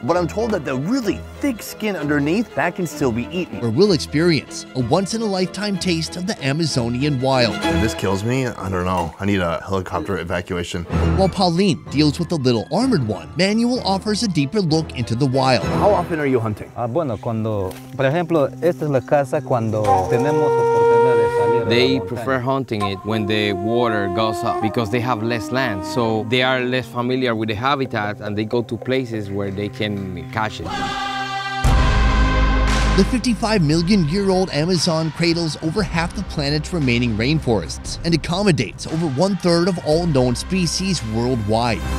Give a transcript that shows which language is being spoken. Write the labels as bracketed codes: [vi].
[en] But I'm told that the really thick skin underneath, that can still be eaten. Where we'll experience a once-in-a-lifetime taste of the Amazonian wild. If this kills me, I don't know. I need a helicopter evacuation. While Pauline deals with the little armored one, Manuel offers a deeper look into the wild. How often are you hunting? [es] Bueno, cuando, por ejemplo, esta es la casa cuando tenemos... [en] They prefer hunting it when the water goes up because they have less land. So they are less familiar with the habitat and they go to places where they can catch it. The 55-million-year-old Amazon cradles over half the planet's remaining rainforests and accommodates over one-third of all known species worldwide.